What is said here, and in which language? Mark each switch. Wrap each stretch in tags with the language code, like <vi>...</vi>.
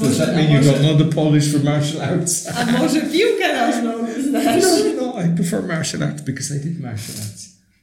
<en>Does that mean you don't know the Polish for martial arts?</en> <pl>A może piłkę nożną znasz?</pl> <en>No, I prefer martial arts because I did martial arts.</en>